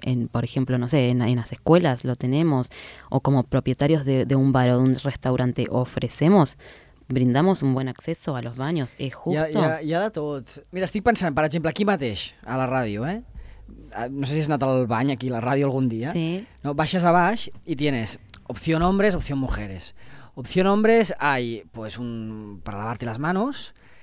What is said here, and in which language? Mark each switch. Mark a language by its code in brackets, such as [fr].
[es] Por ejemplo, no sé, en las escuelas lo tenemos, o como propietarios de un bar o de un restaurante ofrecemos, brindamos un buen acceso a los baños, ¿es justo? [ca] Ya de tot. Mira, estic pensant, per exemple, aquí mateix, a la ràdio, eh? No sé si has anat al bany aquí, a la ràdio, algun dia. Sí. No, baixes a baix i [es] tienes opción hombres, opción mujeres. Opción hombres hay, pues, un para lavarte las manos.